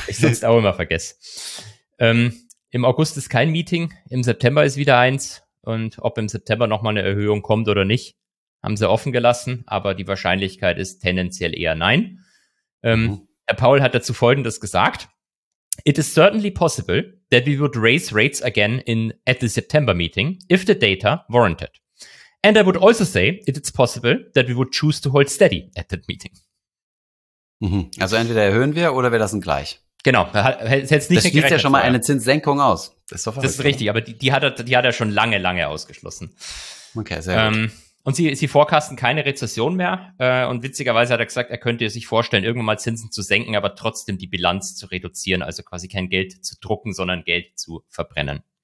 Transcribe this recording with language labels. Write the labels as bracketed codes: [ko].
[de] Ich sonst auch immer vergesse. Im August ist kein Meeting, im September ist wieder eins. Und ob im September nochmal eine Erhöhung kommt oder nicht, haben sie offen gelassen. Aber die Wahrscheinlichkeit ist tendenziell eher nein. Herr Paul hat dazu Folgendes gesagt. [en] It is certainly possible that we would raise rates again at the September meeting, if the data warranted. And I would also say it is possible that we would choose to hold steady at that meeting. [de] Also entweder erhöhen wir oder wir lassen gleich. Genau, hätte nicht. Das schließt ja schon mal eine Zinssenkung aus. Das ist richtig, aber die hat er schon lange, lange ausgeschlossen. Okay, sehr gut. Und sie forecasten keine Rezession mehr. Und witzigerweise hat er gesagt, er könnte sich vorstellen, irgendwann mal Zinsen zu senken, aber trotzdem die Bilanz zu reduzieren, also quasi kein Geld zu drucken, sondern Geld zu verbrennen.